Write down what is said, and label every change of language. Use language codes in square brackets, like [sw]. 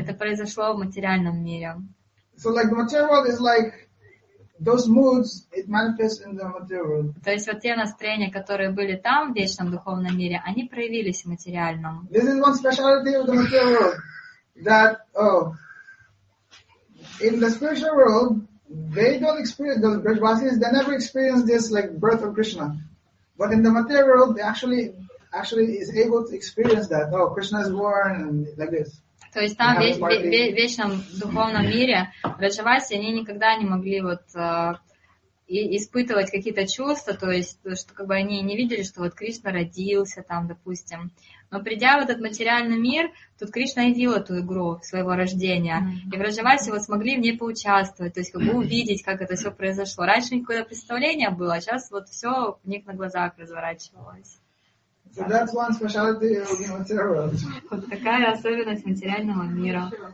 [ru] Это произошло в материальном мире. [en] So the material world is those moods, it manifests in the material world. [ru] То есть вот те настроения, которые были там, в вечном духовном мире, они проявились в материальном. [en] This is one speciality of the material world. That, in the spiritual world, they don't experience, those Brajvasis, they never experience this birth of Krishna. But in the material world, they actually is able to experience that. Oh, Krishna is born, and like this. [ru] То есть там в вечном духовном мире Брадживаси, они никогда не могли испытывать какие-то чувства, то есть что они не видели, что Кришна родился там, допустим. Но придя в этот материальный мир, тут Кришна видел эту игру своего рождения. Mm-hmm. И Брадживаси смогли в ней поучаствовать, то есть увидеть, как это все произошло. Раньше никакое представление было, а сейчас все у них на глазах разворачивалось. [en] So that's one speciality of the material world. [ru] Вот такая особенность материального мира.